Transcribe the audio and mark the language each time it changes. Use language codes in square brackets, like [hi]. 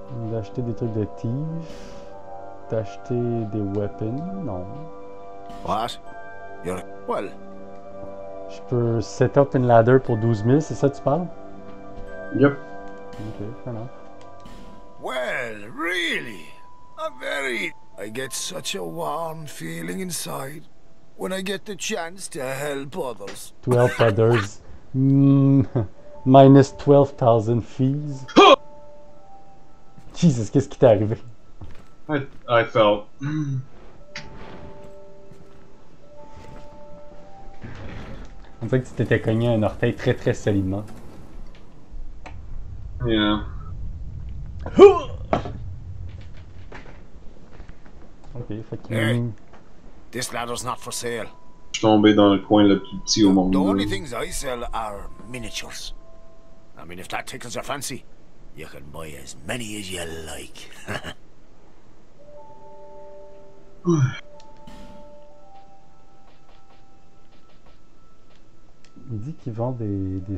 [fr] D'acheter des trucs de thief. D'acheter des weapons. Non. [en] What? You're. Well. [fr] Je peux set up une ladder pour 12 000, c'est ça que tu parles? [en] Yep. Okay, fair enough. Well, really, I get such a warm feeling inside when I get the chance to help others. 12 others. minus 12,000 fees. [fr] Jesus, qu'est-ce qui t'est arrivé? [en] I fell. [fr] En fait, tu t'étais cogné un orteil très très solidement. [en] Yeah. Okay, fucking. Hey. This ladder's not for sale. [fr] Je suis tombé dans le coin le plus petit au monde. [en] The only things I sell are miniatures. I mean, if that tickles your fancy, you can buy as many as you like. [fr] Il dit qu'il vend des...